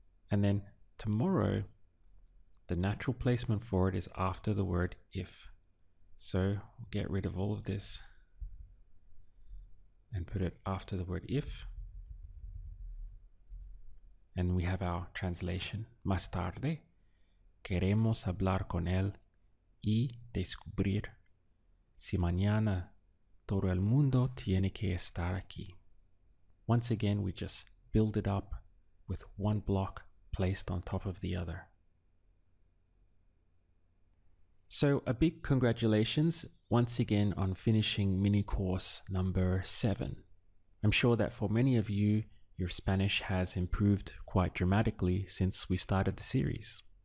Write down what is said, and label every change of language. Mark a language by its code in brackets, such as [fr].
[en] And then tomorrow, the natural placement for it is after the word if. So we'll get rid of all of this and put it after the word if. And we have our translation. [es] Más tarde, queremos hablar con él y descubrir si mañana todo el mundo tiene que estar aquí. [en] Once again, we just build it up with one block placed on top of the other. So a big congratulations once again on finishing mini course number 7. I'm sure that for many of you, your Spanish has improved quite dramatically since we started the series.